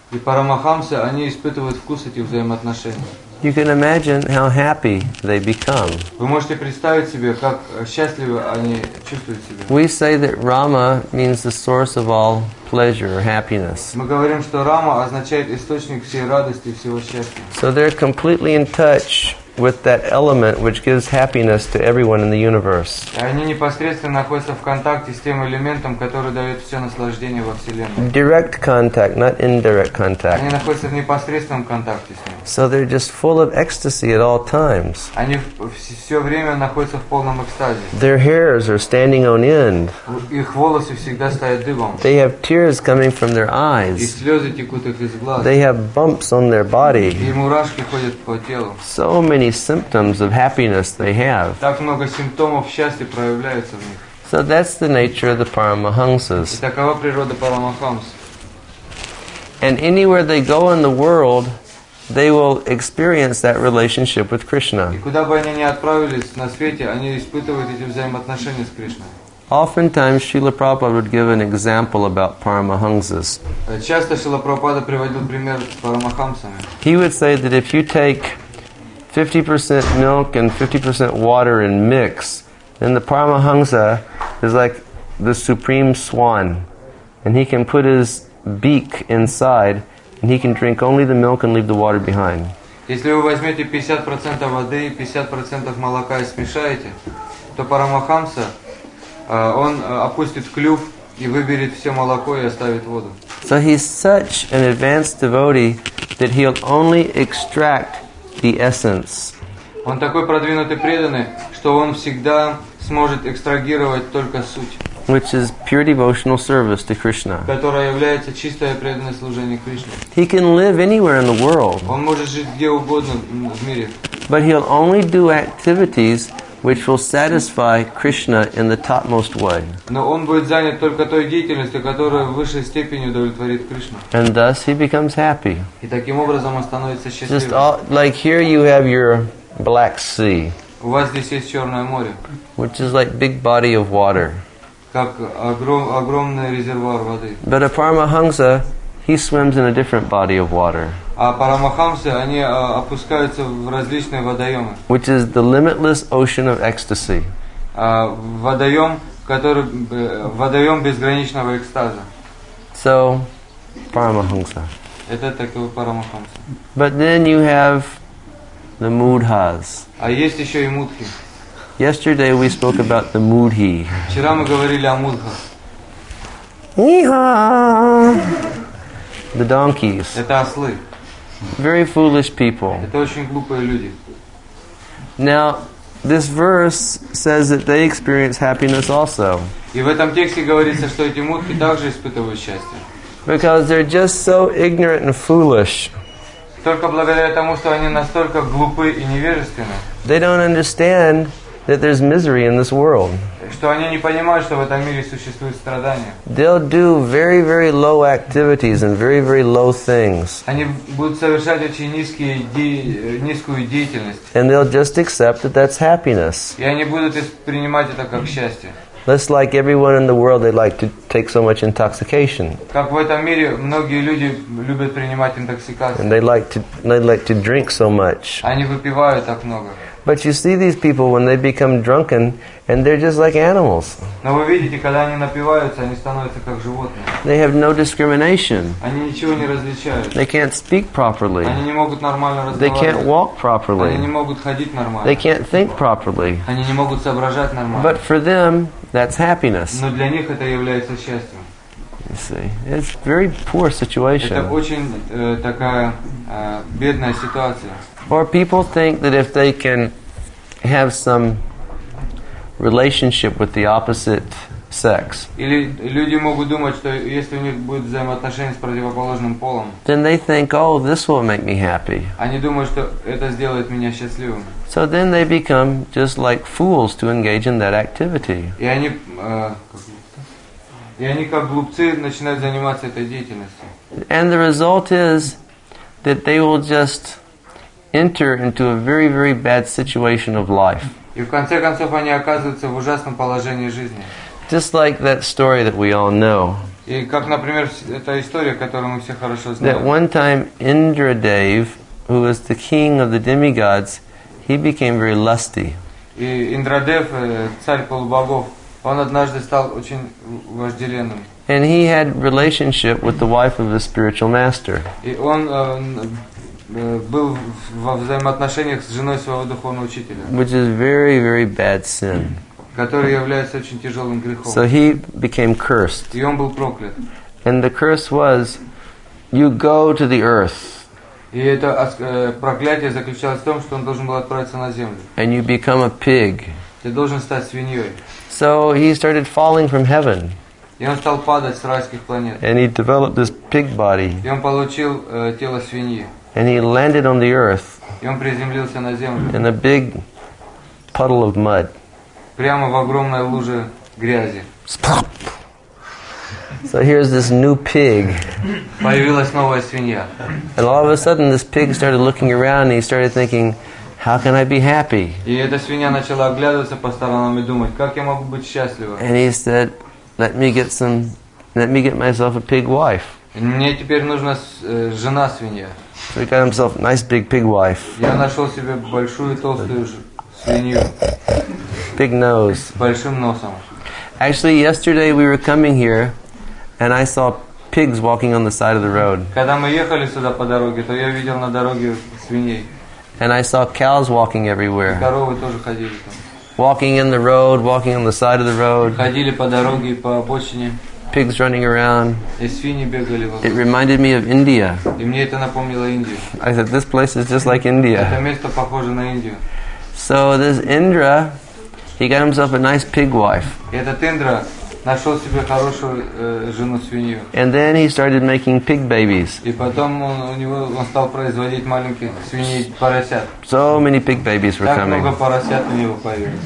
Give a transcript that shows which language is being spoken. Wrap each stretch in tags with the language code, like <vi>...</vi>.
<ru>И парамахамсы, они испытывают вкус этих взаимоотношений.</ru> <en>You can imagine how happy they become.</en> <ru>Вы можете представить себе, как счастливы они чувствуют себя.</ru> <en>We say that Rama means the source of all pleasure or happiness.</en> <ru>Мы говорим, что Рама означает источник всей радости и всего счастья.</ru> <en>So they're completely in touch with that element which gives happiness to everyone in the universe.</en> <ru>Они непосредственно находятся в контакте с тем элементом, который дает все наслаждение во Вселенной.</ru> <en>Direct contact, not indirect contact.</en> <ru>Они находятся в непосредственном контакте с ним.</ru> <en>So they're just full of ecstasy at all times.</en> <ru>Они все время находятся в полном экстазе.</ru> <en>Their hairs are standing on end.</en> <ru>Их волосы всегда стоят дыбом.</ru> <en>They have tears coming from their eyes.</en> <ru>И слезы текут их из глаз.</ru> <en>They have bumps on their body.</en> <ru>И мурашки ходят по телу.</ru> <en>So many symptoms of happiness they have.</en> <ru>Так много симптомов счастья проявляется в них.</ru> <en>So that's the nature of the Paramahamsas.</en> <ru>И такова природа Парамахамс.</ru> <en>And anywhere they go in the world, they will experience that relationship with Krishna.</en> <ru>И куда бы они ни отправились на свете, они испытывают эти взаимоотношения с Кришной.</ru> <en>Oftentimes, Srila Prabhupada would give an example about Paramahamsas.</en> <ru>Часто Шрила Прабхупада приводил пример с Парамахамсами.</ru> <en>He would say that if you take 50% milk and 50% water and mix, then the Paramahamsa is like the supreme swan. And he can put his beak inside and he can drink only the milk and leave the water behind.</en> <ru>Если вы возьмете 50% воды и 50% молока и смешаете, то Парамахамса, он опустит клюв и выберет все молоко и оставит воду.</ru> <en>So he's such an advanced devotee that he'll only extract the essence.</en> <ru>Он такой продвинутый преданный, что он всегда сможет экстрагировать только суть.</ru> <en>Which is pure devotional service to Krishna.</en> <ru>Которая является чистое преданное служение Кришне.</ru> <en>He can live anywhere in the world.</en> <ru>Он может жить где угодно в мире.</ru> <en>But he'll only do activities which will satisfy Krishna in the topmost way.</en> <ru>Но он будет занят только той деятельностью, которая в высшей степени удовлетворит Кришну.</ru> <en>And thus he becomes happy.</en> <ru>И таким образом он становится счастливым.</ru> <en>Just all, like here you have your Black Sea.</en> <ru>У вас здесь есть Черное море.</ru> <en>Which is like big body of water.</en> <ru>Как огромный резервуар воды.</ru> <en>But a Paramahamsa, he swims in a different body of water.</en> <ru>А парамахамсы, они опускаются в различные водоемы.</ru> <en>Which is the limitless ocean of ecstasy.</en> <ru>Водоем безграничного экстаза.</ru> <en>So, парамахамса.</en> <ru>Это такой парамахамса.</ru> <en>But then you have the мудхас.</en> <ru>А есть еще и мудхи.</ru> <en>Yesterday we spoke about the мудхи.</en> <ru>Вчера мы говорили о мудхах.</ru> <en>Ни-ха! The donkeys.</en> <ru>Это ослы.</ru> <en>Very foolish people.</en> <ru>Это очень глупые люди.</ru> <en>Now, this verse says that they experience happiness also.</en> <ru>И в этом тексте говорится, что эти мудхи также испытывают счастье.</ru> <en>Because they're just so ignorant and foolish.</en> <ru>Только благодаря тому, что они настолько глупы и невежественны.</ru> <en>They don't understand that there's misery in this world.</en> <ru>Что они не понимают, что в этом мире существуют страдания.</ru> <en>They'll do very, very low activities and very, very low things.</en> <ru>Они будут совершать очень низкую деятельность.</ru> <en>And they'll just accept that that's happiness.</en> <ru>И они будут принимать это как счастье.</ru> <en>Just like everyone in the world, they like to take so much intoxication.</en> <ru>Как в этом мире многие люди любят принимать интоксикацию.</ru> <en>And they like to drink so much.</en> <ru>Они выпивают так много.</ru> <en>But you see these people when they become drunken, and they're just like animals.</en> <ru>Но вы видите, когда они напиваются, они становятся как животные.</ru> <en>They have no discrimination.</en> <ru>Они ничего не различают.</ru> <en>They can't speak properly.</en> <ru>Они не могут нормально разговаривать.</ru> <en>They can't walk properly.</en> <ru>Они не могут ходить нормально.</ru> <en>They can't think properly.</en> <ru>Они не могут соображать нормально.</ru> <en>But for them, that's happiness.</en> <ru>Но для них это является счастьем.</ru> <en>You see, it's a very poor situation.</en> <ru>Это очень такая бедная ситуация.</ru> <en>Or people think that if they can have some relationship with the opposite sex,</en> <ru>или люди могут думать, что если у них будет взаимоотношения с противоположным полом,</ru> <en>then they think, oh, this will make me happy.</en> <ru>Они думают, что это сделает меня счастливым.</ru> <en>So then they become just like fools to engage in that activity.</en> <ru>И они как глупцы начинают заниматься этой деятельностью.</ru> <en>And the result is that they will just enter into a very, very bad situation of life.</en> <ru>И в конце концов они оказываются в ужасном положении жизни.</ru> <en>Just like that story that we all know.</en> <ru>И как, например, эта история, которую мы все хорошо знаем.</ru> <en>That one time Indradev, who was the king of the demigods, he became very lusty.</en> <ru>И Индрадев, царь полубогов, он однажды стал очень вожделенным.</ru> <en>And he had relationship with the wife of his spiritual master.</en> <ru>И он был во взаимоотношениях с женой своего духовного учителя.</ru> <en>Which is very, very bad sin.</en> <ru>Который является очень тяжелым грехом.</ru> <en>So he became cursed.</en> <ru>И он был проклят.</ru> <en>And the curse was, you go to the earth.</en> <ru>И это проклятие заключалось в том, что он должен был отправиться на землю.</ru> <en>And you become a pig.</en> <ru>Ты должен стать свиньей.</ru> <en>So he started falling from heaven.</en> <ru>И он стал падать с райских планет.</ru> <en>And he developed this pig body.</en> <ru>И он получил тело свиньи.</ru> <en>And he landed on the earth.</en> <ru>И он приземлился на землю.</ru> <en>In a big puddle of mud.</en> <ru>Прямо в огромной луже грязи.</ru> <en>Splop. So here's this new pig.</en> <ru>Появилась новая свинья.</ru> <en>And all of a sudden this pig started looking around and he started thinking, how can I be happy?</en> <ru>И эта свинья начала оглядываться по сторонам и думать, как я могу быть счастлива?</ru> <en>And he said, let me get myself a pig wife.</en> <ru>Мне теперь нужна жена свинья.</ru> <en>So he got himself a nice big pig wife.</en> <ru>Я нашел себе большую толстую свинью.</ru> <en>Big nose.</en> <ru>Большим носом.</ru> <en>Actually, yesterday we were coming here, and I saw pigs walking on the side of the road.</en> <ru>Когда мы ехали сюда по дороге, то я видел на дороге свиней.</ru> <en>And I saw cows walking everywhere.</en> <ru>И коровы тоже ходили там.</ru> <en>Walking in the road, walking on the side of the road.</en> <ru>Ходили по дороге, по обочине.</ru> <en>Pigs running around.</en> <ru>И свиньи бегали вокруг.</ru> <en>It reminded me of India.</en> <ru>И мне это напомнило Индию.</ru> <en>I said, this place is just like India.</en> <ru>Это место похоже на Индию.</ru> <en>So this Indra, he got himself a nice pig wife.</en> <ru>И этот Индра нашел себе хорошую жену свинью.</ru> <en>And then he started making pig babies.</en> <ru>И потом он стал производить маленьких свиней поросят.</ru> <en>So many pig babies were</en> <ru>так</ru> <en>coming.</en> <ru>Так много поросят у него появилось.</ru>